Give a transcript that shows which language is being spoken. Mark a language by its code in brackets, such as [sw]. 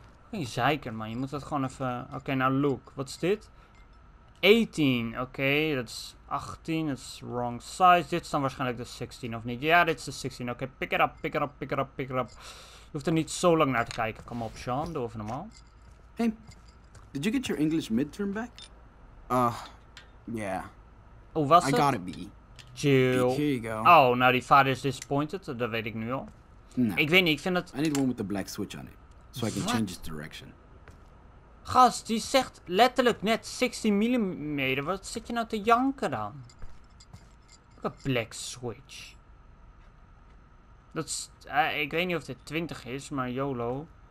[nl] Geen zeiker, man. Je moet dat gewoon even... Okay, nou, look. Wat is dit? 18. Okay, dat is 18. Dat is wrong size. Dit is dan waarschijnlijk de 16, of niet? Ja, dit is de 16. Okay, [en] pick it up, pick it up, pick it up, pick it up. [nl] Je hoeft er niet zo lang naar te kijken. Kom op, Sean. Doe even normaal. [en] Hey, did you get your English midterm back? Yeah. [nl] Oh, was het? [en] I got a B. Chill. Here you go. [nl] Oh, nou, die vader is disappointed. Dat weet ik nu al. Nee. Ik weet niet, ik vind het... [en] I need one with the black switch on it. So I can change its direction. [nl] Gast, die zegt letterlijk net 16mm. Wat zit je nou te janken dan? Wat een black switch. Dat is, ik weet niet of dit 20 is, maar YOLO.